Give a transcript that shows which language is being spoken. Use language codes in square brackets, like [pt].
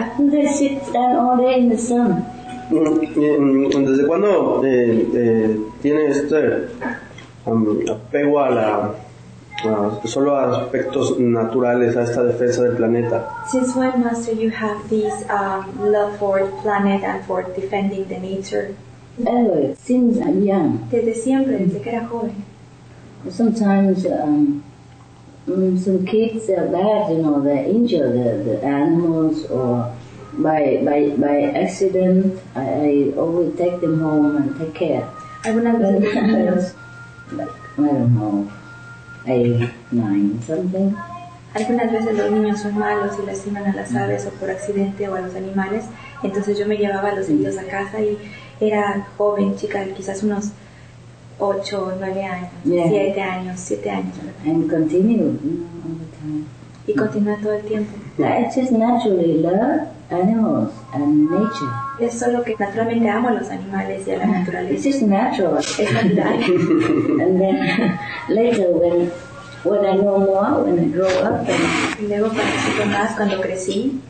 [en] They sit stand all day in the sun. [es] ¿Desde cuándo tiene este apego a la solo a aspectos naturales, a esta defensa del planeta. [en] Since when, Master, you have this love for the planet and for defending the nature? Since I'm young. [es] Desde siempre, desde que era joven. [en] Sometimes some kids are bad, you know, they injure the animals or by accident. I always take them home and take care. [es] Algunas veces los niños, [en] like, I don't know, 8, 9 something. [es] Algunas veces los niños son malos y lastiman a las aves o por accidente o a los animales. Entonces yo me llevaba a los niños a casa y era joven, chica, quizás unos 8, 9 años, 7 años. [en] And continue all the time. [es] Y continúa todo el tiempo. [en] I just naturally love animals and nature. [es] Es solo que naturalmente amo los animales y a la naturaleza. [en] It's just natural. [es] Es natural. [en] And then later when I know more, when I grow up. [es] Y luego participo más cuando crecí.